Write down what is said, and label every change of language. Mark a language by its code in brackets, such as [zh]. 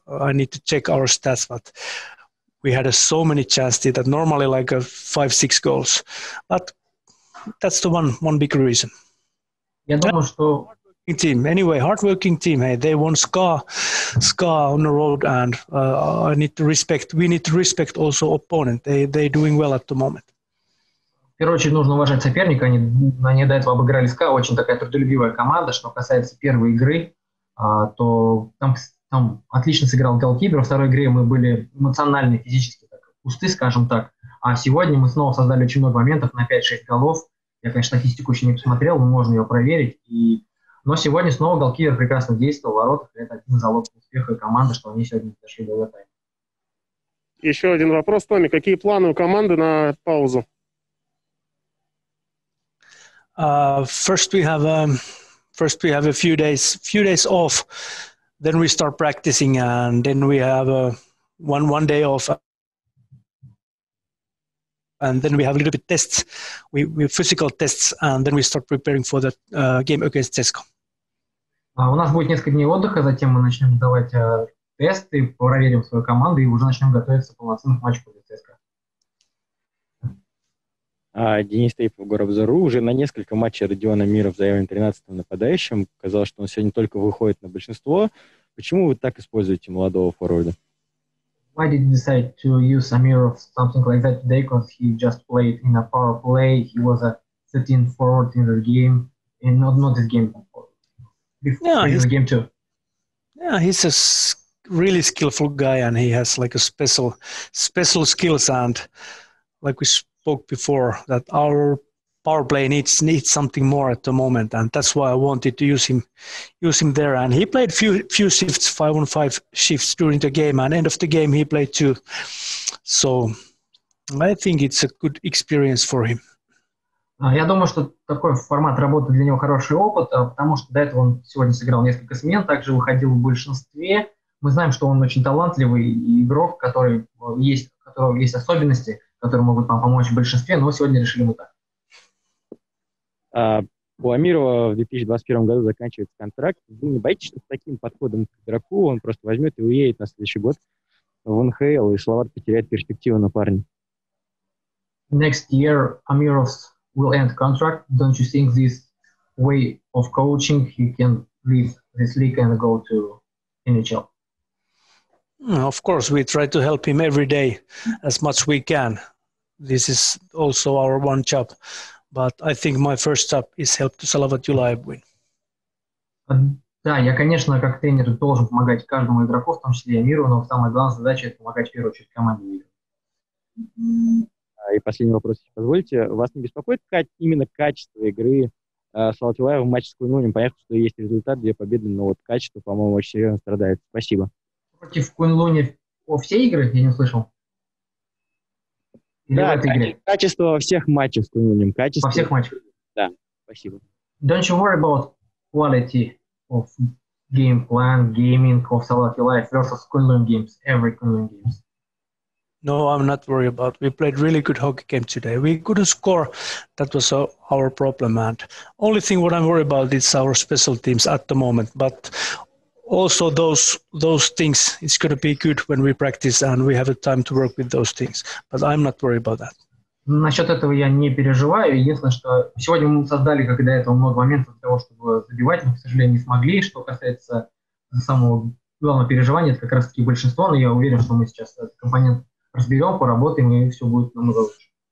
[en] I need to check our stats, but we had so many chances that normally 5-6 goals. But that's the one big reason. Hardworking team. Anyway, hardworking team. Hey, they won SKA on the road, and we need to respect also opponent. They're doing well at the moment. [ru] В первую очередь, нужно уважать соперника. Они до этого обыграли СКА, очень такая трудолюбивая команда. Что касается первой игры, то там отлично сыграл голкипер. Во второй игре мы были эмоционально, физически так, пусты, скажем так. А сегодня мы снова создали очень много моментов на 5-6 голов. Я, конечно, статистику еще не посмотрел, но можно ее проверить. Но сегодня снова голкипер прекрасно действовал в воротах. Это один залог успеха команды, что они сегодня дошли до этой. Еще один вопрос, Томми. Какие планы у команды на паузу? [en] First we have a few days off, then we start practicing, and then we have one day off, and then we have a little bit tests, we physical tests, and then we start preparing for the game against CSKA. [ru] У нас будет несколько дней отдыха, затем мы начнем сдавать тесты, проверим свою команду и уже начнем готовиться к полноценному матчу против CSKA. Денис Тейпов, Горобзору. Уже на несколько матчей Родиона Миров заявлен 13-м нападающим. Казалось, что он сегодня только выходит на большинство. Почему вы так используете молодого форварда? [en] Why did you decide to use Amirov something like that today? Because he just played in a power play. He was a 13th forward in the game. And not this game. He's a really skillful guy, and he has a special skills, and before that our power play needs something more at the moment, and that's why I wanted to use him there. And he played few shifts, 5-on-5 shifts during the game, and end of the game he played two. So I think it's a good experience for him. [ru] Я думаю, что такой формат работы для него хороший опыт, потому что до этого он сегодня сыграл несколько смен, также выходил в большинстве. Мы знаем, что он очень талантливый игрок, у которого есть особенности, которые могут нам помочь в большинстве, но сегодня решили мы так. У Амирова в 2021 году заканчивается контракт. Вы не боитесь, что с таким подходом к игроку он просто возьмет и уедет на следующий год в НХЛ, и Словарт потеряет перспективу на парня? [en] Next year Amirov will end contract. Don't you think this way of coaching he can leave this league and go to NHL? Of course, we try to help him every day as much we can. This is also our one job. But I think my first job is help to Salavat Yulaev win. [ru] Да, я, конечно, как тренер должен помогать каждому игроку, в том числе и Миру, но самая главная задача – это помогать в первую очередь команде. И последний вопрос, если позволите. Вас не беспокоит именно качество игры Salavat Yulaev в матче с Куньлунем? Понятно, что есть результат, две победы, но качество, по-моему, очень серьезно страдает. Спасибо. Против Куньлуни во все игры, я не услышал. Или да, в этой игре? Качество во всех матчах с Куньлунем. Во всех матчах. Да, спасибо. [en] Don't you worry about quality of game plan, gaming of Salavat Yulaev versus Куньлунь games, every Куньлунь games? No, I'm not worried about. We played really good hockey game today. We couldn't score. That was our problem. And only thing what I'm worried about is our special teams at the moment. But also those things, it's going to be good when we practice and we have a time to work with those things. But I'm not worried about that. [ru] Насчет этого я не переживаю. Единственное, что сегодня мы создали, как и до этого, много моментов для того, чтобы забивать. Мы, к сожалению, не смогли. Что касается самого главного переживания, это как раз-таки большинство. Но я уверен, что мы сейчас этот компонент разберем, поработаем, и все будет намного лучше.